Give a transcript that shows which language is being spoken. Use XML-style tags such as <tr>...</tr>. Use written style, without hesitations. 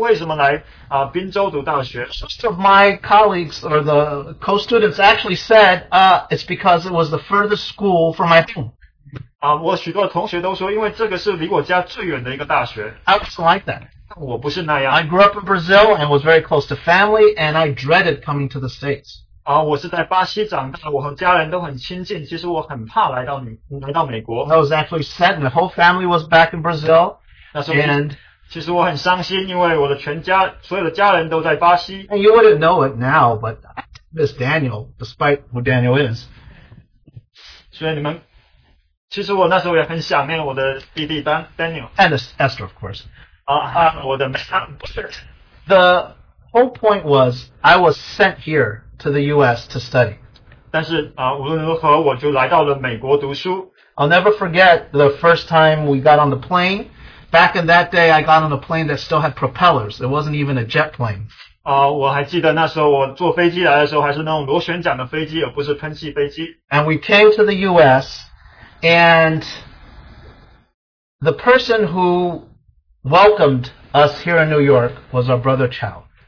<zh>但相反,我去读大学的时候,我还问其他人,你们为什么来宾州读大学?</zh> <en>So my colleagues or the co-students actually said, it's because it was the furthest school from my home.</en> <zh>我许多同学都说,因为这个是离我家最远的一个大学。</zh> <en>I wasn't like that.</en> <zh>我不是那样。</zh> <en>I grew up in Brazil and was very close to family, and I dreaded coming to the States.</en> <zh>我是在巴西长大,我和家人都很亲近,其实我很怕来到美国。</zh> <en>I was actually sad, my whole family was back in Brazil.</en> <zh>其实我很伤心,因为我的全家,所有的家人都在巴西。</zh> <en>And you wouldn't know it now, but I miss Daniel, despite who Daniel is.</en> <zh>所以你们,其实我那时候也很想念我的弟弟Daniel。</zh> <en>And Esther, of course.</en> <zh>我的妹妹。</zh> <en>The whole point was, I was sent here to the U.S. to study.</en> <zh>但是, 无论如何我就来到了美国读书。</zh> <en>I'll never forget the first time we got on the plane. Back in that day, I got on a plane that still had propellers. It wasn't even a jet plane.</en> <zh>我还记得那时候我坐飞机来的时候还是那种螺旋桨的飞机，而不是喷气飞机。</zh> <en>And we came to the U.S. and the person who welcomed us here in New York was our brother Chow.</en>